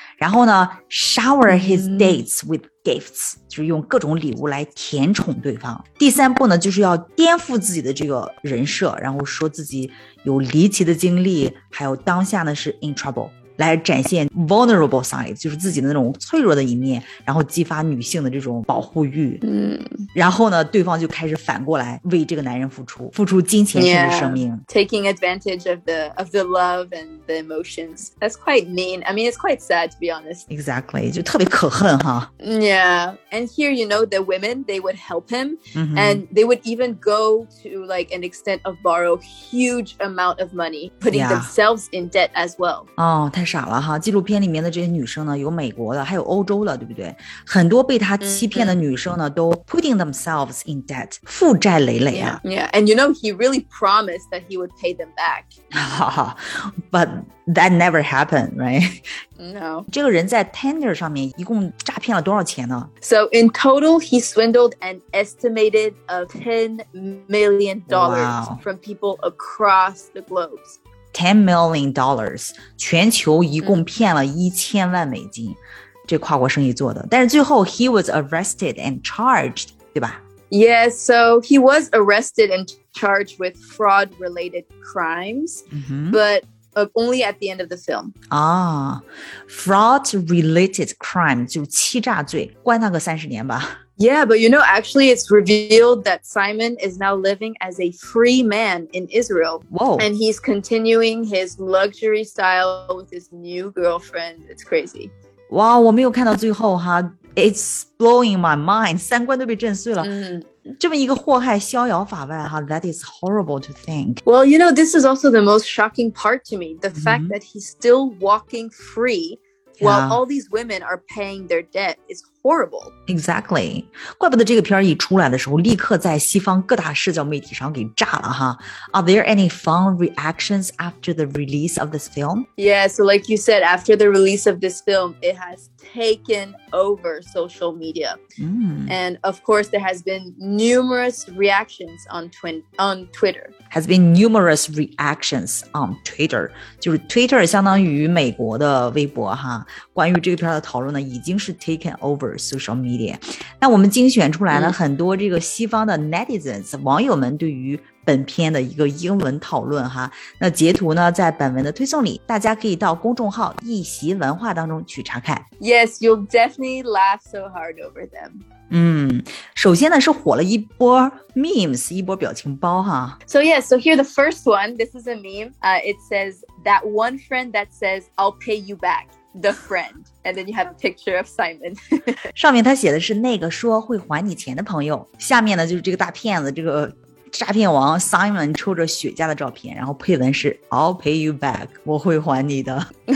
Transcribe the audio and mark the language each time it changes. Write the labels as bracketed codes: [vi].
[zh] 然后呢 [en] shower his dates with gifts, [zh] 就是用各种礼物来甜宠对方，第三步呢，就是要颠覆自己的这个人设，然后说自己有离奇的经历，还有当下呢是 in trouble,来展现 [en] vulnerable side, [zh] 就是自己的那种脆弱的一面，然后激发女性的这种保护欲。然后呢，对方就开始反过来为这个男人付出，付出金钱甚至生命。 [en] Yeah, taking advantage of the love and the emotions. That's quite mean. I mean, it's quite sad to be honest. [zh] Exactly, 就特别可恨哈。 [en] Yeah, and here you know the women, they would help him, and they would even go to like an extent of borrow huge amount of money, putting themselves in debt as well. [zh] 太傻了哈，纪录片里面的这些女生呢，有美国的，还有欧洲的，对不对？很多被他欺骗的女生呢，都 [en] putting themselves in debt， [zh] 负债累累啊。 [en] Yeah, and you know he really promised that he would pay them back. But that never happened, right? No. [zh] 这个人在 Tinder 上面一共诈骗了多少钱呢？ [en] So in total, he swindled an estimated of $10 million、 wow. from people across the globe. [zh] $10 million, 全球一共骗了$10,000,000，这跨国生意做的。但是最后 [en] he was arrested and charged, [zh] 对吧？ [en] Yes, so he was arrested and charged with fraud related crimes, but only at the end of the film. [zh] Ah, fraud related crime, 就欺诈罪，关他个30年吧。 [en] Yeah, but you know, actually, it's revealed that Simon is now living as a free man in Israel. Whoa. And he's continuing his luxury style with his new girlfriend. It's crazy. [zh] Wow, 我没有看到最后哈。 [en] It's blowing my mind. [zh] 三观都被震碎了。这么一个祸害逍遥法外哈。 [en] That is horrible to think. Well, you know, this is also the most shocking part to me. The fact that he's still walking free. While all these women are paying their debt, it's horrible. Exactly. [zh] 怪不得这个片一出来的时候，立刻在西方各大社交媒体上给炸了哈。 [en] Are there any fun reactions after the release of this film? Yeah, so like you said, after the release of this film, it has taken over social media. And of course, there has been numerous reactions on Twitter. Has been numerous reactions on Twitter. [zh] 就是 Twitter 相当于美国的微博哈。关于这个片的讨论呢已经是 [en] taken over social media. [zh] 那我们精选出来了很多这个西方的 netizens, 网友们对于本片的一个英文讨论哈。那截图呢在本文的推送里，大家可以到公众号一席文化当中去查看。 [en] Yes, you'll definitely laugh so hard over them. [zh] 首先呢是火了一波 memes, 一波表情包哈。 [en] So yeah, so here the first one, this is a meme, it says that one friend that says, I'll pay you back, the friend, and then you have a picture of Simon. [zh] 上面他写的是那个说会还你钱的朋友，下面呢就是这个大骗子，这个诈骗王 Simon 抽着雪茄的照片，然后配文是 [en] I'll pay you back, [zh] 我会还你的。